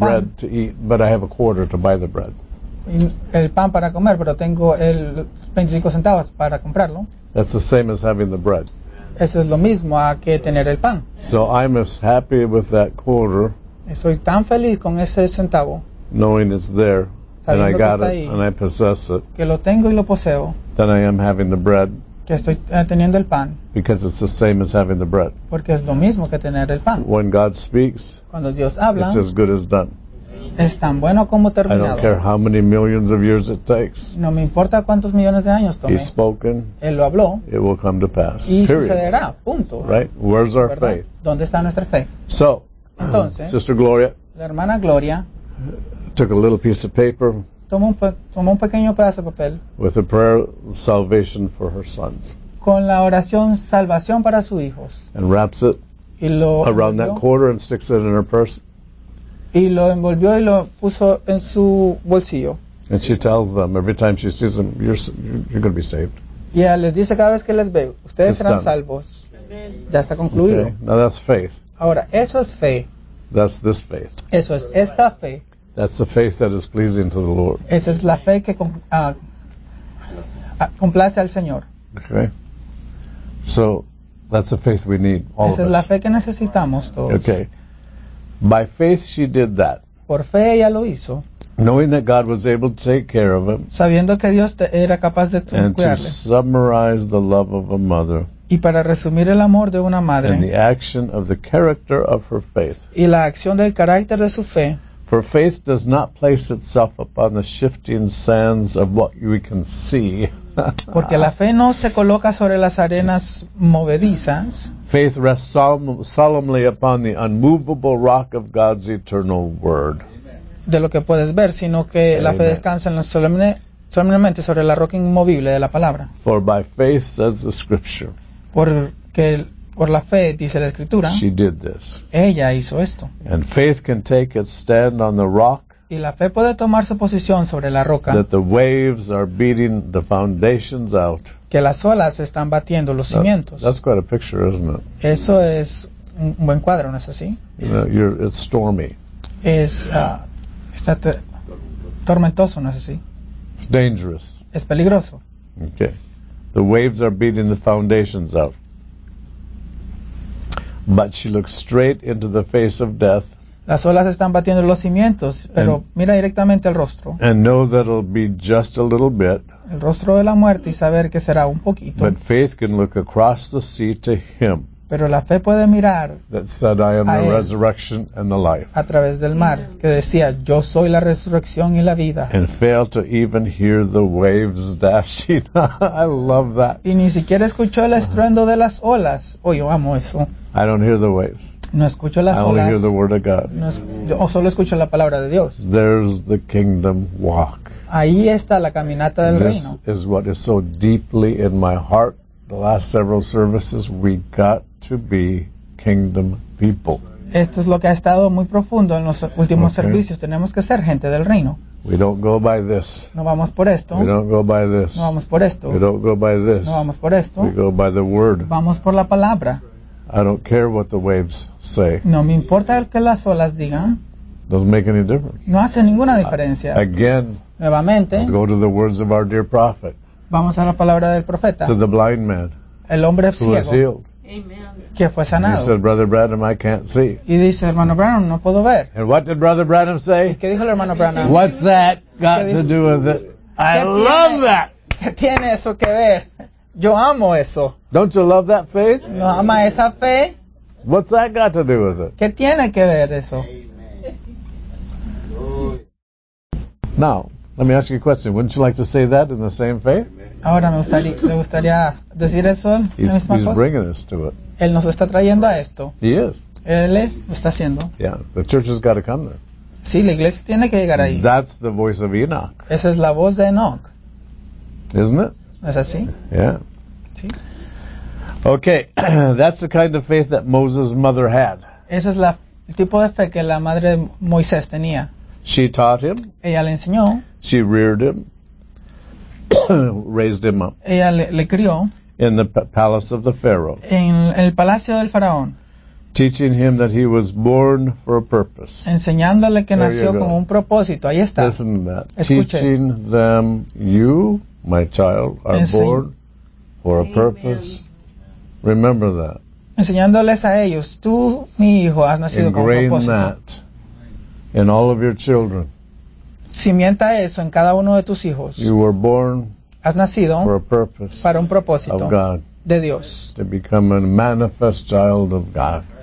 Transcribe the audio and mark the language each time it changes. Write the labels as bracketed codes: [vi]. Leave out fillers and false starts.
[en] Bread to eat, but I have a quarter to buy the bread. [es] Y el pan para comer, pero tengo el 25 centavos para comprarlo. [en] That's the same as having the bread. [es] Eso es lo mismo a que tener el pan. [en] So I'm as happy with that quarter. [es] Soy tan feliz con ese centavo. [en] Knowing it's there. [es] Sabiendo [en] and I got [es] ahí, [en] it and I possess it. [es] Que lo tengo y lo poseo. [en] Then I am having the bread. [es] Que estoy teniendo el pan. [en] Because it's the same as having the bread. [es] Porque es lo mismo que tener el pan. [en] When God speaks. [es] Cuando Dios habla. [en] It's as good as done. [es] Es tan bueno como terminado. [en] I don't care how many millions of years it takes. [es] No me importa cuántos millones de años tome. [en] He's spoken. [es] Él lo habló. [en] It will come to pass. [es] Y [en] period. [es] Sucederá. Punto. [en] Right? Where's our faith? [es] ¿Dónde está nuestra fe? [en] So, [es] entonces, [en] Sister Gloria. [es] La hermana Gloria. [en] Took a little piece of paper. [es] Tomó un pequeño pedazo de papel. [en] With a prayer, salvation for her sons. [es] Con la oración salvación para sus hijos. [en] And wraps it. [es] Y lo [en] around that quarter and sticks it in her purse. [es] Y lo envolvió y lo puso en su bolsillo. [en] And she tells them every time she sees them, you're going to be saved. [es] Y ella les dice cada vez que les ve, ustedes serán salvos. Ya está concluido. [en] Okay. Now that's faith. [es] Ahora, eso es fe. [en] That's this faith. [es] Eso es esta fe. [en] That's the faith that is pleasing to the Lord. [es] Esa es la fe que complace al Señor. [en] Okay. So, that's the faith we need, all [es] esa [en] of us. [es] La fe que necesitamos todos. [en] Okay. By faith she did that. [es] Por fe ella lo hizo. [en] Knowing that God was able to take care of him. [es] Sabiendo que Dios era capaz de cuidarle. [en] And to summarize the love of a mother. [es] Y para resumir el amor de una madre. [en] And the action of the character of her faith. [es] Y la acción del carácter de su fe. [en] For faith does not place itself upon the shifting sands of what we can see. [es] Porque la fe no se coloca sobre las arenas movedizas. [en] Faith rests solemnly upon the unmovable rock of God's eternal word. [es] De lo que puedes ver, sino que la fe descansa en lo solemnemente sobre la roca inmovible de la palabra. [en] For by faith says the scripture. [es] Por la fe, dice la Escritura. [en] She did this. [es] Ella hizo esto. [en] And faith can take its stand on the rock. [es] Y la fe puede tomar su posición sobre la roca. [en] That the waves are beating the foundations out. [es] Que las olas están batiendo los cimientos. [en] That's quite a picture, isn't it? [es] Eso es un buen cuadro, ¿no es así? [en] It's stormy. [es] Es está tormentoso, ¿no es así? [en] It's dangerous. [es] Es peligroso. [en] Okay. The waves are beating the foundations out. But she looks straight into the face of death. [es] Las olas están batiendo los cimientos, pero mira directamente el rostro. [en] And know that it'll be just a little bit. [es] El rostro de la muerte y saber que será un poquito. [en] But faith can look across the sea to him. [es] Pero la fe puede mirar [en] that said, I am the resurrection and the life. [es] A través del mar, que decía, yo soy la resurrección y la vida. [en] And fail to even hear the waves dashing. I love that. [es] Y ni siquiera escuchó el estruendo de las olas. Oh, yo amo eso. [en] I don't hear the waves. [es] No escucho las [en] olas. I only hear the word of God. [es] Yo solo escucho la palabra de Dios. [en] There's the kingdom walk. [es] Ahí está la caminata del [en] this [es] reino. [en] This is what is so deeply in my heart. The last several services, we got to be kingdom people. [es] Esto es lo que ha estado muy profundo en los últimos servicios. Tenemos que ser gente del reino. [en] We don't go by this. [es] No vamos por esto. [en] We don't go by this. [es] No vamos por esto. [en] We don't go by this. [es] No vamos por esto. [en] We go by the word. [es] Vamos por la palabra. [en] I don't care what the waves say. [es] No me importa el que las olas digan. [en] Doesn't make any difference. [es] No hace ninguna diferencia. [en] Again. [es] Nuevamente. [en] Go to the words of our dear prophet. [es] Vamos a la palabra del profeta. [en] To the blind man. [es] El hombre [en] who Was healed. Amen. [es] Que fue sanado. [en] He said, Brother Branham, I can't see. [es] Y dice, hermano Branham, no puedo ver. [en] And what did Brother Branham say? [es] ¿Qué dijo el hermano Branham? [en] What's that got to do with it? I love that. [es] ¿Qué tiene eso que ver? Yo amo eso. [en] Don't you love that faith? [es] ¿No ama esa fe? [en] What's that got to do with it? [es] ¿Qué tiene que ver eso? [en] Amen. Now, let me ask you a question. Wouldn't you like to say that in the same faith? [es] Ahora me gustaría decir eso. [en] He's bringing us to it. [es] Él nos está trayendo a esto. [en] He is. [es] Él es, lo está haciendo. [en] Yeah, the church has got to come there. [es] Sí, la iglesia tiene que llegar ahí. [en] That's the voice of Enoch. [es] Esa es la voz de Enoch. [en] Isn't it? [es] ¿Es así? [en] Yeah. [es] Sí. [en] Okay, that's the kind of faith that Moses' mother had. [es] Esa es el tipo de fe que la madre de Moisés tenía. [en] She taught him. [es] Ella le enseñó. [en] She reared him. Raised him up. [es] Ella le crió. [en] In the palace of the Pharaoh. [es] En el palacio del faraón. [en] Teaching him that he was born for a purpose. [es] Enseñándole que nació con un propósito. Ahí está. [en] Listen to that. Teaching them, you, my child, are born for a purpose. Amen. Remember that. [es] Enseñándoles a ellos, tú, mi hijo, has nacido con un propósito. [en] Ingrain that in all of your children. [es] Cimienta eso en cada uno de tus hijos. [en] You were born [es] has nacido [en] for a purpose [es] para un propósito [en] of God, [es] de Dios. [en] To become a manifest child of God.